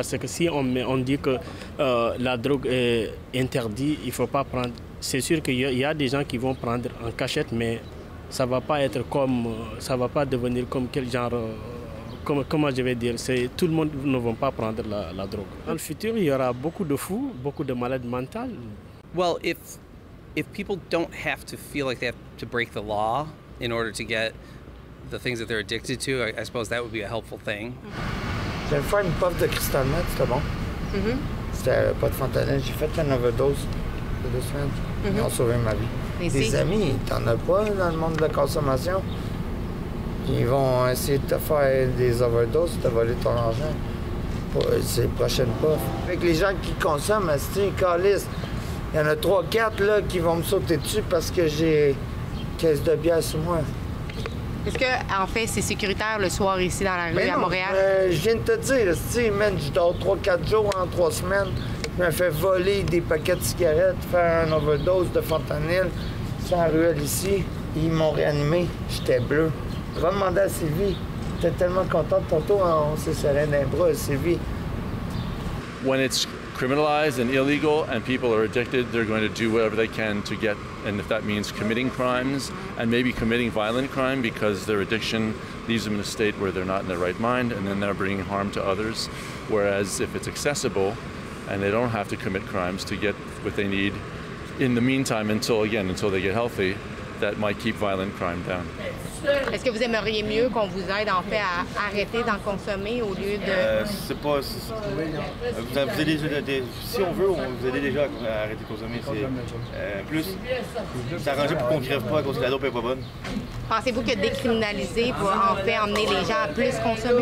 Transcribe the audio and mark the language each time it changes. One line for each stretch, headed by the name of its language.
French: Parce que si on dit que la drogue est interdite, il ne faut pas prendre. C'est sûr qu'il y a des gens qui vont prendre en cachette, mais ça ne va pas être comme. Ça va pas devenir comme quel genre. Comment je vais dire, c'est tout le monde ne va pas prendre la drogue. Dans le futur, il y aura beaucoup de fous, beaucoup de malades mentales.
English: Well, if people don't have to feel like they have to break the law in order to get the things that they're addicted to, I suppose that would be a helpful thing.
French: J'ai fait une puff de crystal meth, c'était bon. C'était pas de fentanyl. J'ai fait une overdose de deux semaines. Ils ont sauvé ma vie. Mais des amis, t'en as pas dans le monde de la consommation. Ils vont essayer de te faire des overdoses, de te voler ton argent. C'est le prochain pas. Fait que les gens qui consomment, c'est une calice. Il y en a 3-4 là qui vont me sauter dessus parce que j'ai caisse de bière sur moi. Est-ce que, en fait, c'est sécuritaire le soir ici dans la rue à Montréal? Je viens de te dire, si, man, je dors 3-4 jours en 3 semaines, je me fais voler des paquets de cigarettes, faire un overdose de fentanyl sur la ruelle ici. Ils m'ont réanimé. J'étais bleu. Va demander à Sylvie. J'étais tellement content de tantôt, on s'est serré dans les bras, Sylvie.
English: When it's criminalized and illegal and people are addicted, they're going to do whatever they can to get, and if that means committing crimes and maybe committing violent crime because their addiction leaves them in a state where they're not in their right mind and then they're bringing harm to others. Whereas if it's accessible and they don't have to commit crimes to get what they need in the meantime until they get healthy, that might keep violent crime down.
French: Est-ce que vous aimeriez mieux qu'on vous aide en fait à arrêter d'en consommer au lieu de... Si on veut, on vous aide déjà à arrêter de consommer. Plus, c'est arrangé pour qu'on ne crève pas à cause que la dope n'est pas bonne. Pensez-vous que décriminaliser va en fait emmener les gens à plus consommer?